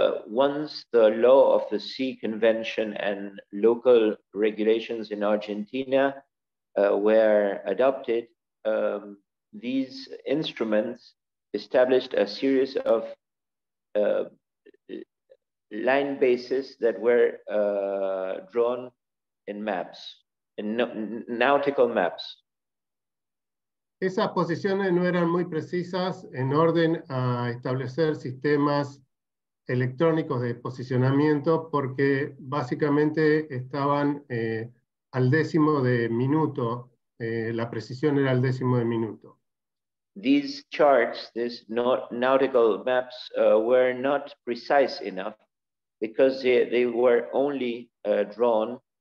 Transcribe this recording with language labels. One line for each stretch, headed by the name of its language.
English: Once the law of the sea convention and local regulations in Argentina were adopted, these instruments established a series of line bases that were drawn in maps, in nautical maps.
Spanish: Esas posiciones no eran muy precisas en orden a establecer sistemas electrónicos de posicionamiento porque básicamente estaban al décimo de minuto, la precisión era al décimo de minuto.
English: These charts, these nautical maps, were not precise enough because they were only drawn